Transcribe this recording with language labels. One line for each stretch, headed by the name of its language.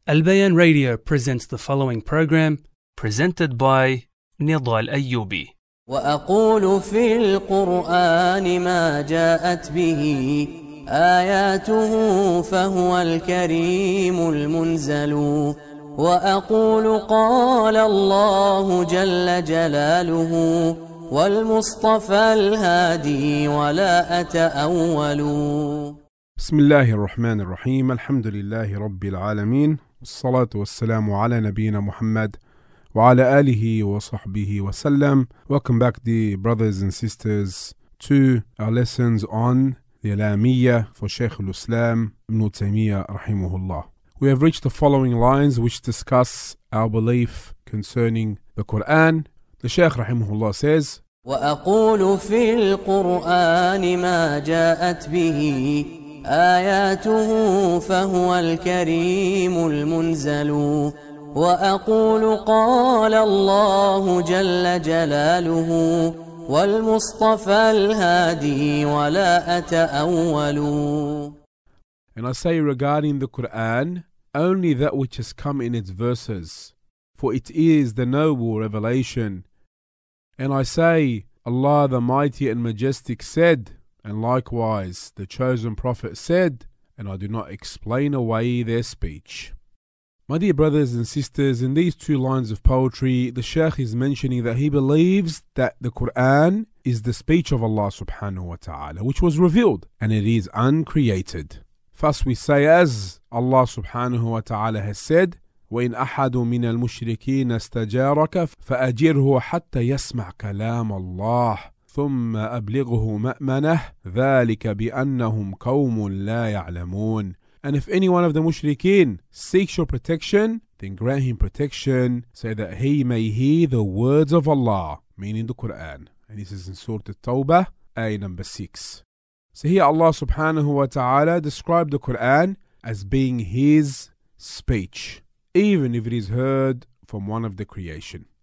English: Al-Bayan Radio presents the following program, presented by Nedal Ayoubi.
Arabic: وأقول في القرآن ما جاءت به آياته فهو الكريم المنزل وأقول قال الله جل جلاله والمصطفى الهادي ولا أتأول. بسم الله الرحمن الرحيم الحمد لله رب العالمين الصلاة والسلام على نبينا محمد وعلى آله وصحبه وسلم.
English: Welcome back, dear brothers and sisters, to our lessons on the Al-Lamiyah for Shaykh al-Islam ibn Taymiyah rahimahullah. We have reached the following lines which discuss our belief concerning the Qur'an. The Shaykh rahimahullah says,
Arabic: وَأَقُولُ فِي الْقُرْآنِ مَا جَاءَتْ بِهِ آيَاتُهُ فَهُوَ الْكَرِيمُ الْمُنْزَلُ وأقول قال الله جل جلاله والمصطفى الهادي ولا أتأول.
English: And I say regarding the Quran, only that which has come in its verses, for it is the noble revelation. And I say, Allah the Mighty and Majestic said, and likewise the chosen Prophet said, and I do not explain away their speech. My dear brothers and sisters, in these two lines of poetry, the Shaykh is mentioning that he believes that the Qur'an is the speech of Allah subhanahu wa ta'ala, which was revealed, and it is uncreated. Thus we say, as Allah subhanahu wa ta'ala has said,
Arabic: وَإِنْ أَحَدُ مِنَ الْمُشْرِكِينَ اسْتَجَارَكَ فَأَجِرْهُ حَتَّى يَسْمَعْ كَلَامَ اللَّهِ ثُمَّ أَبْلِغْهُ مَأْمَنَهُ ذَلِكَ بِأَنَّهُمْ قَوْمٌ لَا يَعْلَمُونَ.
English: And if any one of the mushrikeen seeks your protection, then grant him protection so that he may hear the words of Allah, meaning the Quran. And this is in Surah At-Tawbah, ayah number 6. So here Allah subhanahu wa ta'ala described the Quran as being his speech, even if it is heard from one of the creation.